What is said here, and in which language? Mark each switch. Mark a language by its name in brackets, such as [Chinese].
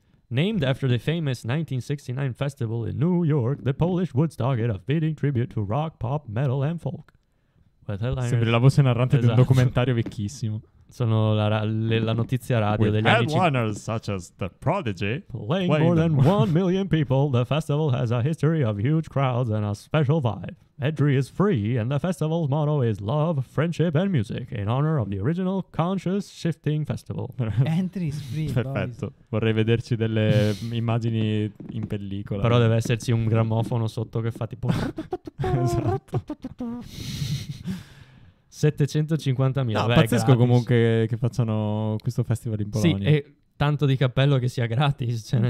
[English] Named after the famous 1969 festival in New York, the Polish Woodstock is a fitting tribute to rock, pop, metal and folk. [Italian] Sembra la voce narrante, esatto, di un documentario vecchissimo. Sono la notizia radio [English] with [Italian] degli anni 50. [English] Headliners such as The Prodigy. Playing more than 1 million people, the festival has a history of huge crowds and a special vibe. Entry is free and the festival's motto is love, friendship and music in honor of the original conscious shifting festival. Entry is free. [Italian] Perfetto. [English] Boys. [Italian] Vorrei vederci delle immagini in pellicola. Però deve esserci un grammofono sotto che fa tipo... esatto. 750.000. No, beh, pazzesco gratis. Comunque che facciano questo festival in Polonia. Sì, e tanto di cappello che sia gratis, cioè nel